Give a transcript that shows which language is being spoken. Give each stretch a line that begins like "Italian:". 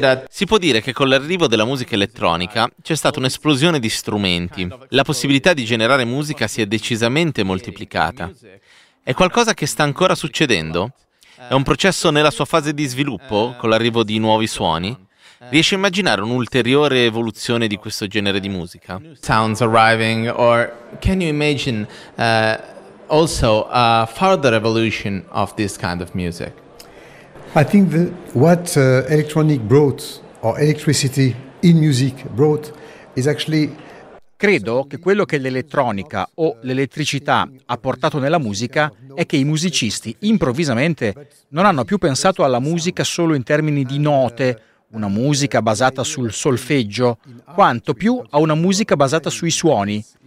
Italian: Si può dire che con l'arrivo della musica elettronica c'è stata un'esplosione di strumenti. La possibilità di generare musica si è decisamente moltiplicata. È qualcosa che sta ancora succedendo? È un processo nella sua fase di sviluppo, con l'arrivo di nuovi suoni? Riesci a immaginare un'ulteriore evoluzione di questo genere di musica?
English: Sounds arriving, or can you imagine also a further evolution of this kind of music? I think that what electronic brought or electricity in music brought is actually.
Italian: Credo che quello che l'elettronica o l'elettricità ha portato nella musica è che i musicisti improvvisamente non hanno più pensato alla musica solo in termini di note, una musica basata sul solfeggio, quanto più a una musica basata sui suoni.